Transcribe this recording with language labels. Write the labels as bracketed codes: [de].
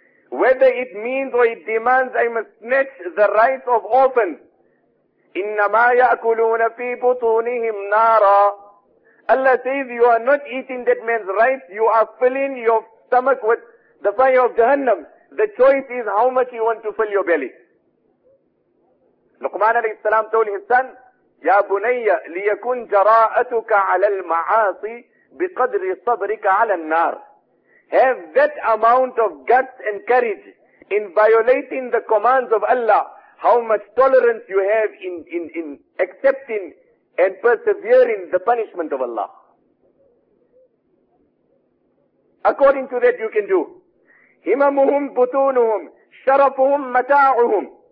[en] Whether it means or it demands I must snatch the rights of orphans. [ar] إِنَّمَا يَأْكُلُونَ فِي بُطُونِهِمْ نَارًا. [en] Allah says you are not eating that man's rights, you are filling your stomach with the fire of Jahannam. The choice is how much you want to fill your belly. Luqman alayhi salam told his son, [ar] يَا بُنَيَّ لِيَكُنْ جَرَاءَتُكَ عَلَى الْمَعَاصِ بِقَدْرِ صَبْرِكَ عَلَى النَّارِ. [en] Have that amount of guts and courage in violating the commands of Allah, how much tolerance you have in accepting and persevering the punishment of Allah. According to that you can do. [ar] Himamuhum butunuhum, sharafuhum mata'uhum.